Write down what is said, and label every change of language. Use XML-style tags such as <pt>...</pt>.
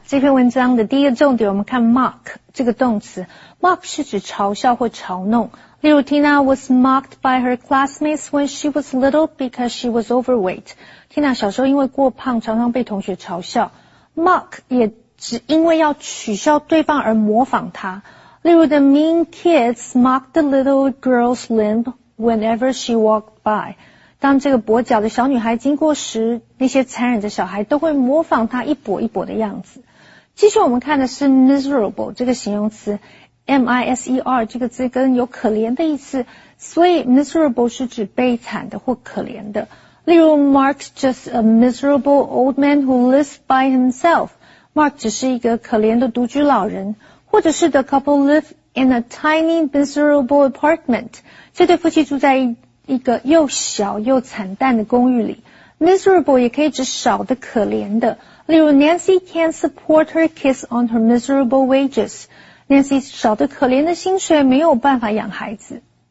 <zh>这篇文章的第一个重点，我们看 mock 这个动词。 mock 是指嘲笑或嘲弄。例如</zh> <en>，Tina was mocked by her classmates when she was little because she was overweight.</en> <zh>Tina 小时候因为过胖，常常被同学嘲笑。mock 也指因为要取笑对方而模仿他。例如</zh> <en>，the mean kids mocked the little girl's limp whenever she walked by.</en> <zh>当这个跛脚的小女孩经过时，那些残忍的小孩都会模仿她一跛一跛的样子。继续我们看的是 miserable 这个形容词 ,M-I-S-E-R 这个字根有可怜的意思，所以 miserable 是指悲惨的或可怜的。例如</zh> <en>,Mark's just a miserable old man who lives by himself. Mark</en> <zh>只是一个可怜的独居老人，或者是</zh> <en>the couple live in a tiny miserable apartment.</en> <zh>这对夫妻住在一个又小又惨淡的公寓里 ，miserable 也可以指少的可怜的。例如</zh> <en>，Nancy can't support her kids on her miserable wages.</en> <zh>Nancy 少的可怜的薪水没有办法养孩子。</zh>